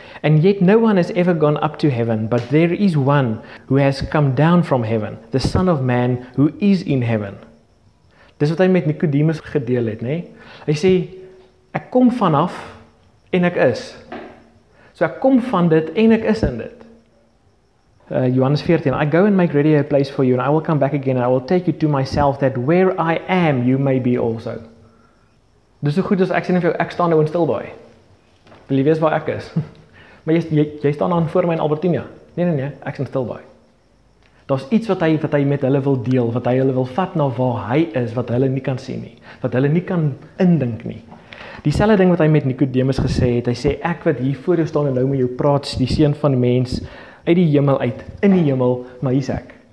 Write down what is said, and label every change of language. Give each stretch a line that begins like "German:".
English: And yet no one has ever gone up to heaven, but there is one who has come down from heaven, the Son of Man who is in heaven.
Afrikaans: Dis wat hy met Nicodemus gedeel het, nee? Hy sê, ek kom vanaf en ek is. So ek kom van dit en ek is in dit.
English: Johannes 14, I go and make ready a place for you and I will come back again and I will take you to myself that where I am, you may be also.
Afrikaans: Dis so goed as ek sê vir jou, ek staan nou in Stilbaai. Wil jy weet waar ek is? Maar jy staan dan voor my in Albertina. Nee, ek is in Stilbaai. Daar is iets wat hy met hulle wil deel, wat hy hulle wil vat na waar hy is, wat hulle nie kan sien nie, wat hulle nie kan indink nie. Dieselfde ding wat hy met Nicodemus gesê het, hy sê, ek wat hier voor jou staan en nou met jou praat, die seun van die mens, uit die hemel uit, in die hemel, maar hier is ek.